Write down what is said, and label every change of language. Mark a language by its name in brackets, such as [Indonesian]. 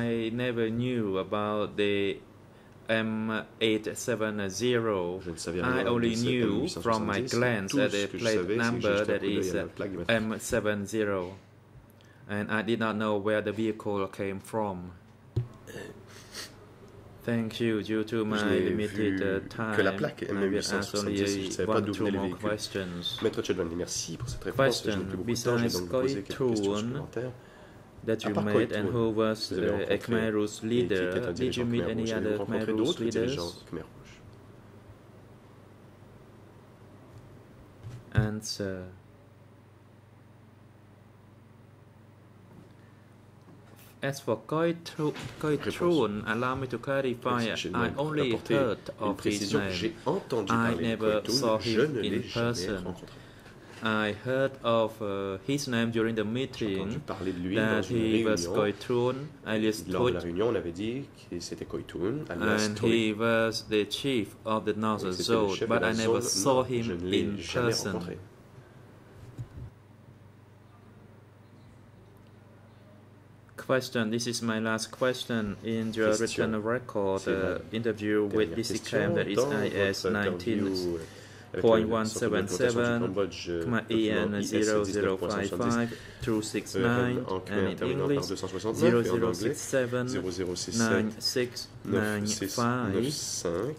[English] I never knew about the M870. [French] Je ne savais rien. [English] I only knew from my glance at the plate number that is M70, and I did not know where the vehicle came from. Thank you. Due to my limited time, [French] que la plaque M870, je ne savais pas d'où venaient les véhicules. [English] Questions. [French] Maître Chedwin, merci pour cette réponse. [English] Question. [French] Je n'ai plus beaucoup de temps, je vais donc vous poser quelques questions supplémentaires. [English] That you met and who was the Khmer Rouge leader? Did you meet any other Khmer Rouge leaders? Answer. As for Khoi Truon, allow me to clarify, I only heard of his name. I never saw him in person. I heard of his name during the meeting that he was Khoi Truon, alias [French] Lors de la réunion, on avait dit que c'était Khoi Truon, alias [English] and Thuit. He was the chief of the Northern Zone, but I never saw him in person. Question. This is my last question in your question. Written record interview with DC Cam, that is IS-19.177, EN-0055-269, and in English, 0067-9695.